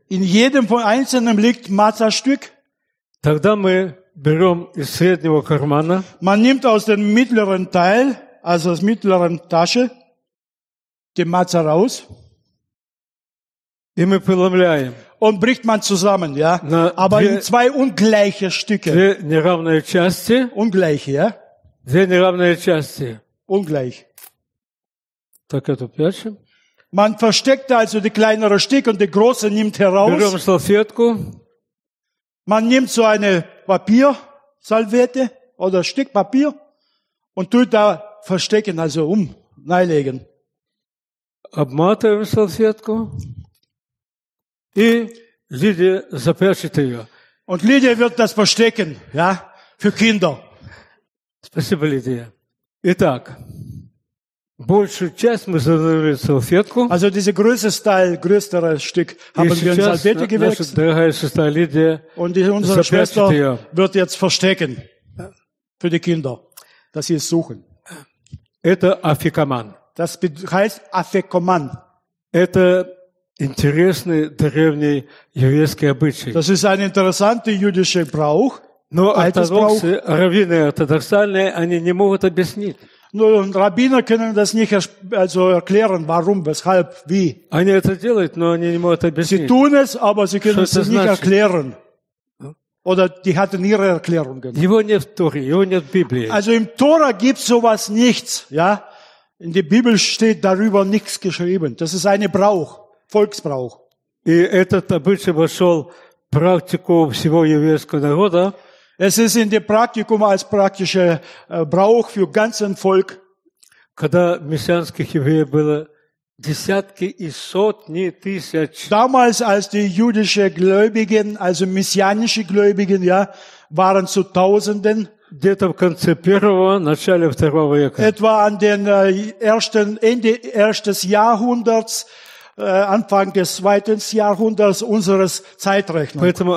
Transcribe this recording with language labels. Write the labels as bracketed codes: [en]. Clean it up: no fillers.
[de] In jedem von einzelnen liegt Matza-Stück. [ru] Тогда мы берем из среднего кармана. [de] Man nimmt aus dem mittleren Teil, also aus der mittleren Tasche, die Matze raus. [ru] И мы преломляем. [de] Und bricht man zusammen, ja. [ru] На [de] aber [ru] две, [de] in zwei ungleiche Stücke. [ru] Две неравные части. [de] Ungleiche, ja. [ru] Две неравные части. [de] Ungleich. [ru] Так это пять. [de] Man versteckt also die kleinere Stück und die große nimmt heraus. [ru] Берем салфетку. [de] Man nimmt so eine Papiersalvette oder ein Stück Papier und tut da verstecken, also neilegen. [ru] Обматываем салфетку и Лидия запечатает ее. [de] Und Lydia wird das verstecken, ja, für Kinder. [ru] Спасибо, Лидия. Итак, большую часть мы завернули салфетку. [de] Also diese größte Teil, größere Stück haben wir in Salbete gewirkt. [ru] Наша дорогая сестра Лидия [de] und unsere Schwester wird jetzt verstecken für die Kinder, dass sie es suchen. [ru] Это афекоман. [de] Das heißt афекоман. [ru] Это интересный древний еврейский обычай. [de] Das ist ein interessanter jüdischer Brauch. [ru] Но ортодоксы, раввины ортодоксальные, они не могут объяснить. Но раввины [de] können das nicht erklären, warum, weshalb, wie. [ru] Они это делают, но они не могут объяснить. [de] Sie tun es, aber sie können es nicht erklären. Oder die hatten ihre Erklärungen. [ru] Его нет в Торе, его нет в Библии. [de] Also im Tora gibt sowas nichts, ja? In der Bibel steht darüber nichts geschrieben. Das ist ein Brauch, Volksbrauch. [ru] И этот обычай вошел практику всего еврейского народа. [de] Es ist in dem Praktikum als praktischer Brauch für ganzen Volk. [ru] Когда мессианских евреев было десятки и сотни тысяч. [de] Damals, als die jüdischen Gläubigen, also messianische Gläubigen, ja, waren zu Tausenden. [ru] Где-то в конце первого, начале второго века. [de] Etwa an den ersten, Ende erstes Jahrhunderts. Anfang des zweiten Jahrhunderts unseres Zeitrechnungs.